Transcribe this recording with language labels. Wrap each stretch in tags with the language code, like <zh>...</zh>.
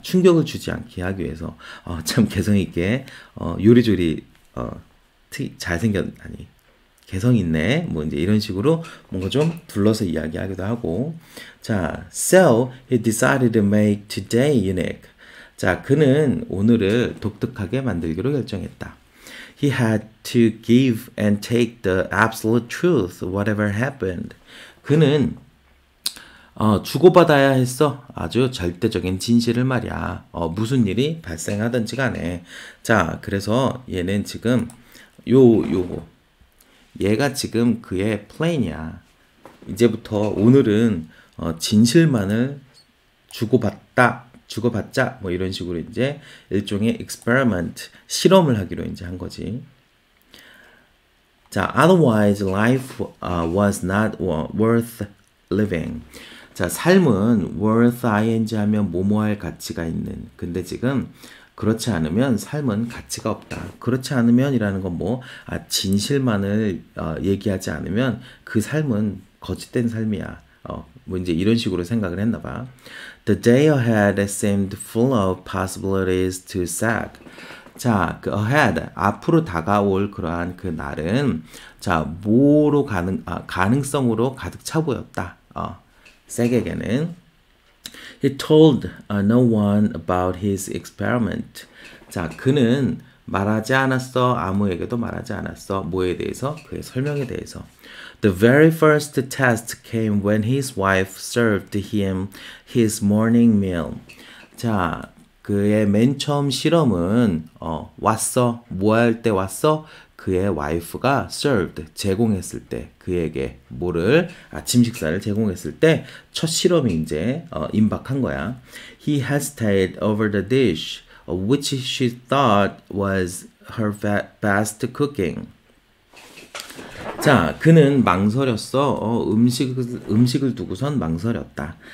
<ko>충격을 주지 않게 하기 위해서 참 개성 있게 요리조리 잘생겼 아니 개성 있네. 뭐 이제 이런 식으로 뭔가 좀 둘러서 이야기하기도 하고.</ko> <en>자, so he decided to make today unique.</en> <ko>자, 그는 오늘을 독특하게 만들기로 결정했다.</ko> <en>He had to give and take the absolute truth, whatever happened.</en> <ko>그는 주고받아야 했어. 아주 절대적인 진실을 말이야. 무슨 일이 발생하든지 간에. 자, 그래서 얘는 지금 요거. 얘가 지금 그의 플랜이야. 이제부터 오늘은 진실만을 주고받자 뭐 이런 식으로 이제 일종의 experiment 실험을 하기로 이제 한 거지.</ko> <en>자, otherwise life was not worth living.</en> <ko>자, 삶은 worth ing 하면 뭐뭐할 가치가 있는. 근데 지금 그렇지 않으면 삶은 가치가 없다. 그렇지 않으면이라는 건 뭐, 진실만을 얘기하지 않으면 그 삶은 거짓된 삶이야. 뭐 이제 이런 식으로 생각을 했나 봐.</ko> <en>The day ahead seemed full of possibilities to Zach.</en> <ko>자, 그 ahead, 앞으로 다가올 그러한 그 날은, 자, 뭐로 가능성으로 가득 차 보였다. Zach에게는.</ko> <en>He told no one about his experiment.</en> <ko>자, 그는 말하지 않았어. 아무에게도 말하지 않았어. 뭐에 대해서? 그의 설명에 대해서.</ko> <en>The very first test came when his wife served him his morning meal.</en> <ko>자, 그의 맨 처음 실험은 왔어. 뭐할때 왔어? 그의 와이프가 served, 제공했을 때, 그에게 뭐를, 아침 식사를 제공했을 때, 첫 실험이 이제 임박한 거야.</ko> <en>He hesitated over the dish, which she thought was her best cooking.</en> <ko>자, 그는 망설였어. 음식을 두고선 망설였다.</ko>